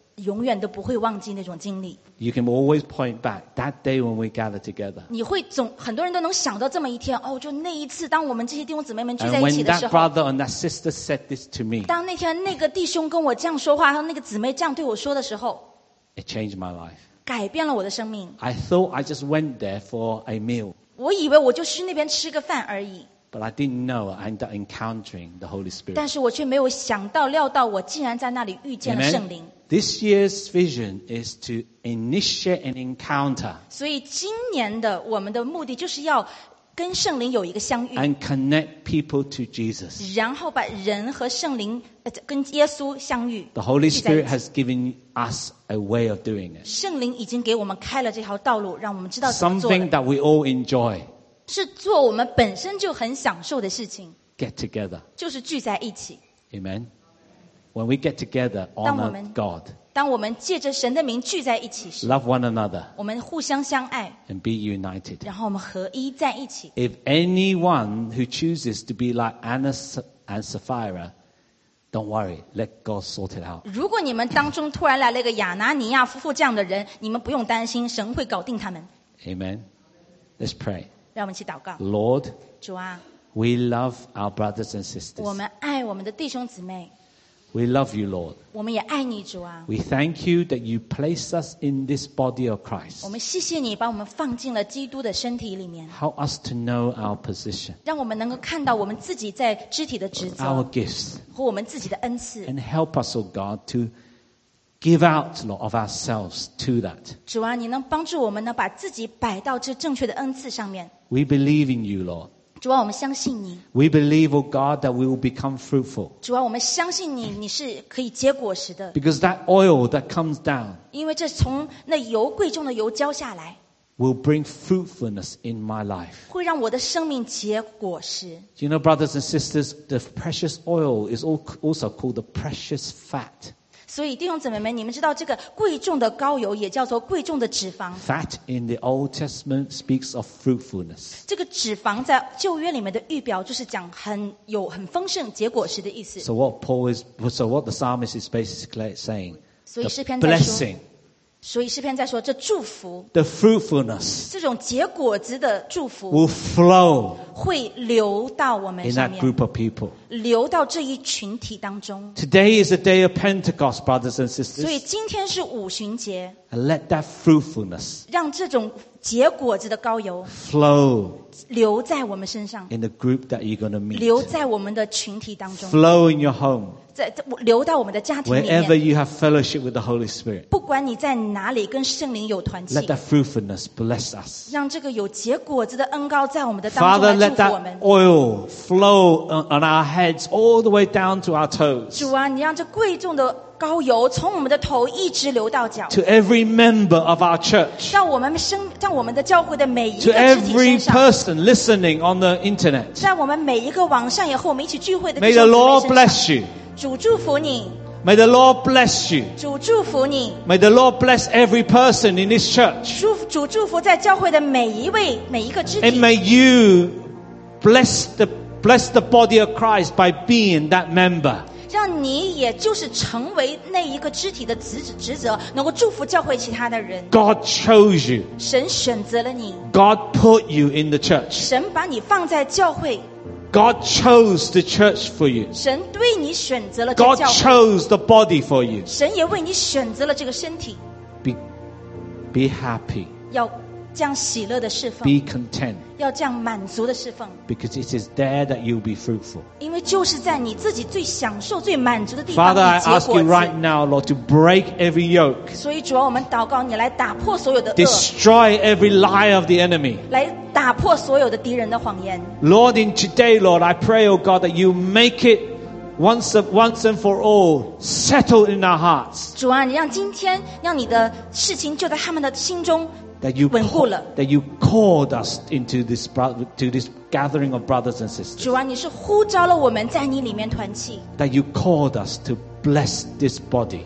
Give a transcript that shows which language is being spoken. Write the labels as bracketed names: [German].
[Chinese] 永远都不会忘记那种经历 [English] You can always point back that day when we gather together. [Chinese] 你会总很多人都能想到这么一天哦，就那一次，当我们这些弟兄姊妹们聚在一起的时候 [English] And when that brother and that sister said this to me. [Chinese] 当那天那个弟兄跟我这样说话，和那个姊妹这样对我说的时候 [English] It changed my life. [Chinese] 改变了我的生命 [English] I thought I just went there for a meal. [Chinese] 我以为我就去那边吃个饭而已。 [English] But I didn't know I ended up encountering the Holy Spirit. [Chinese] 但是我却没有想到料到我竟然在那里遇见了圣灵。 [English] Amen? This year's vision is to initiate an encounter. [Chinese] 所以今年的我们的目的就是要跟圣灵有一个相遇。 [English] And connect people to Jesus. [Chinese] 然后把人和圣灵跟耶稣相遇。 [English] The Holy Spirit has given us a way of doing it. [Chinese] 圣灵已经给我们开了这条道路，让我们知道怎么做的。 [English] Something that we all enjoy. [Chinese] 是做我们本身就很享受的事情。 [English] Get together. [Chinese] 就是聚在一起。 [English] Amen. When we get together, honor God. [Chinese] 当我们借着神的名聚在一起时 [English] ，Love one another. [Chinese] 我们互相相爱。 [English] And be united. [Chinese] 然后我们合一在一起。 [English] If anyone who chooses to be like Ananias and Sapphira, don't worry, let God sort it out. [Chinese] 如果你们当中突然来了一个亚拿尼亚夫妇这样的人，你们不用担心，神会搞定他们。 [English] Amen. Let's pray. [Chinese] 让我们一起祷告。 [English] Lord, [Chinese] 主啊 [English] ，We love our brothers and sisters. [Chinese] 我们爱我们的弟兄姊妹。 [English] We love you, Lord. [Chinese] 我们也爱你，主啊。 [English] We thank you that you place us in this body of Christ. [Chinese] 我们谢谢你把我们放进了基督的身体里面。 [English] Help us to know our position. [Chinese] 让我们能够看到我们自己在肢体的职责。 [English] Our gifts. [Chinese] 和我们自己的恩赐。 [English] And help us, O God, to give out, Lord, of ourselves to that. [Chinese] 主啊，你能帮助我们呢，把自己摆到这正确的恩赐上面。 [English] We believe in you, Lord. [Chinese] 主啊，我们相信你。 [English] We believe, O God, that we will become fruitful. [Chinese] 主啊，我们相信你，你是可以结果实的。 [English] Because that oil that comes down, [Chinese] 因为这从那油贵重的油浇下来 [English] will bring fruitfulness in my life. [Chinese] 会让我的生命结果实。 [English] You know, brothers and sisters, the precious oil is also called the precious fat. [Chinese] 所以弟兄姊妹们，你们知道这个贵重的膏油也叫做贵重的脂肪。 [English] Fat in the Old Testament speaks of fruitfulness. [Chinese] 这个脂肪在旧约里面的预表就是讲很丰盛、结果实的意思。 [English] So what the psalmist is basically saying? [Chinese] 所以诗篇在说 blessing. 所以诗篇在说这祝福。 [English] The fruitfulness. [Chinese] 这种结果子的祝福。 [English] Will flow. [Chinese] 会流到我们上面。 [English] In that group of people. [Chinese] 流到这一群体当中。 [English] Today is the day of Pentecost, brothers and sisters. [Chinese] 所以今天是五旬节。 [English] And let that fruitfulness [Chinese] 让这种结果子的膏油 [English] flow [Chinese] 流在我们身上。 [English] In the group that you're going to meet [Chinese] 流在我们的群体当中。 [English] Flow in your home [Chinese] 流到我们的家庭里面。 [English] Wherever you have fellowship with the Holy Spirit [Chinese] 不管你在哪里跟圣灵有团契。 [English] Let that fruitfulness bless us [Chinese] 让这个有结果子的恩膏在我们的当中来祝福我们。 [English] Father, let that oil flow on our heads all the way down to our toes. [Chinese] 主啊，你让这贵重的膏油从我们的头一直流到脚。 [English] To every member of our church. [Chinese] 让我们的教会的每一个肢体身上。 [English] To every person listening on the internet. [Chinese] 在我们每一个网上也和我们一起聚会的。 [English] May the Lord bless you. [Chinese] 主祝福你。 [English] May the Lord bless you. [Chinese] 主祝福你。 [English] May the Lord bless every person in this church. [Chinese] 主祝福在教会的每一位每一个肢体。 [English] And may you bless the body of Christ by being that member. [Chinese] 让你也就是成为那一个肢体的职责，能够祝福教会其他的人。 [English] God chose you. [Chinese] 神选择了你。 [English] God put you in the church. [Chinese] 神把你放在教会。 [English] God chose the church for you. [Chinese] 神对你选择了这教会。 [English] God chose the body for you. [Chinese] 神也为你选择了这个身体。 [English] Be happy. [Chinese] 要这样喜乐的侍奉。 [English] Be content. [Chinese] 要这样满足的侍奉。 [English] Because it is there that you'll be fruitful. [Chinese] 因为就是在你自己最享受、最满足的地方。 [English] Father, I ask you right now, Lord, to break every yoke. [Chinese] 所以主啊，我们祷告你来打破所有的恶。 [English] Destroy every lie of the enemy. [Chinese] 来打破所有的敌人的谎言。 [English] Lord, in today, Lord, I pray, O God, that you make it. Once and for all, settle in our hearts. [Chinese] 主啊，你让今天让你的事情就在他们的心中稳固了。 [English] That you called us into this gathering of brothers and sisters. [Chinese] 主啊，你是呼召了我们在你里面团契。 [English] That you called us to bless this body.